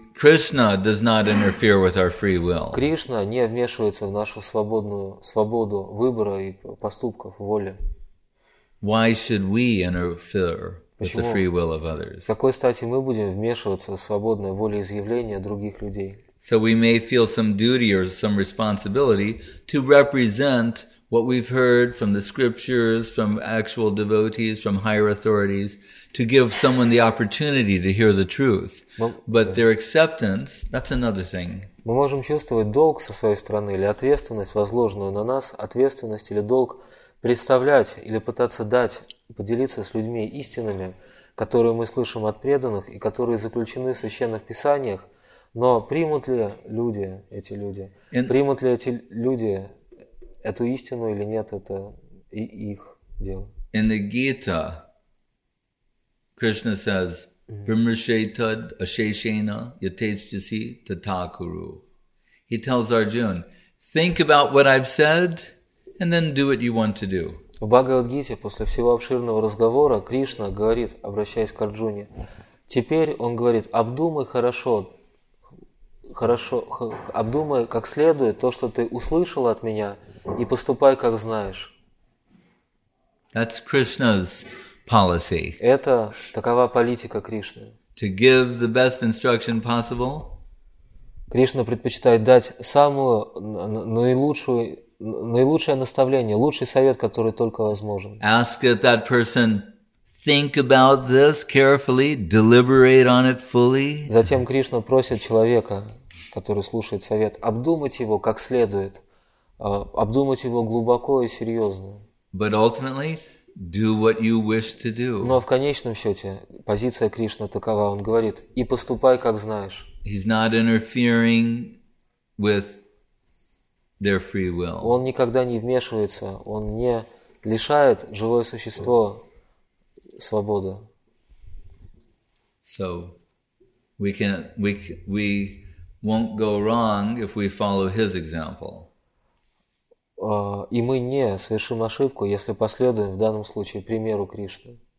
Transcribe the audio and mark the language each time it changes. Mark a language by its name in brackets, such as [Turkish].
[English] Krishna does not interfere with our free will. [Russian] Кришна не вмешивается в нашу свободную свободу выбора и поступков, воли. [English] Why should we interfere with the free will of others? [Russian] С какой стати мы будем вмешиваться в свободное волеизъявление других людей? [English] So we may feel some duty or some responsibility to represent what we've heard from the scriptures, from actual devotees, from higher authorities, to give someone the opportunity to hear the truth. But their acceptance, that's another thing. [Russian] Мы можем чувствовать долг со своей стороны или ответственность, возложенную на нас, ответственность или долг представлять или пытаться дать, поделиться с людьми истинами, которые мы слышим от преданных и которые заключены в священных писаниях. Но примут ли люди эти люди? Примут ли эти люди эту истину или нет, это и их дело. [English] In the Gita, Krishna says, [Sanskrit] "Vimrshetad asheshena yatejasi tatakuru." [English] He tells Arjuna, "Think about what I've said, and then do what you want to do." [Russian] В Бхагавад-гите после всего обширного разговора Кришна говорит, обращаясь к Арджуне, теперь он говорит: обдумай хорошо. Хорошо, обдумай как следует то, что ты услышал от меня, и поступай, как знаешь. [English] That's Krishna's policy. [Russian] Это такова политика Кришны. [English] To give the best instruction possible. [Russian] Кришна предпочитает дать самую наилучшее наставление, лучший совет, который только возможен. [English] Ask that person. Think about this carefully, deliberate on it fully. [Russian] Затем Кришна просит человека, который слушает совет, обдумать его как следует, обдумать его глубоко и серьезно. [English] But ultimately, do what you wish to do. [Russian] Но в конечном счете позиция Кришны такова. Он говорит: и поступай, как знаешь. [English] He's not interfering with their free will. [Russian] Он никогда не вмешивается, он не лишает живое существо свободы. [English] So, we won't go wrong if we follow his example. [Russian] И мы не совершим ошибку, если последуем в данном случае примеру Кришны.